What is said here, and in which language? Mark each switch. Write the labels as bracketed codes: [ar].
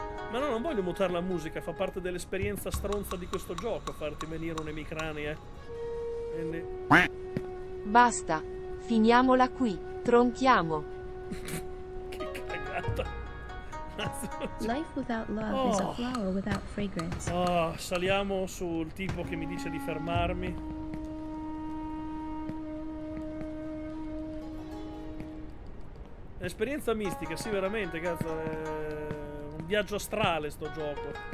[it] Ma no, non voglio mutare la musica, fa parte dell'esperienza stronza di questo gioco farti venire un'emicrania. Quindi... basta, finiamola qui, tronchiamo. Che cagata. [en] Life without love is a flower without fragrance. [it] Oh, saliamo sul tipo che mi dice di fermarmi. Esperienza mistica, sì, veramente, cazzo. Viaggio astrale sto gioco.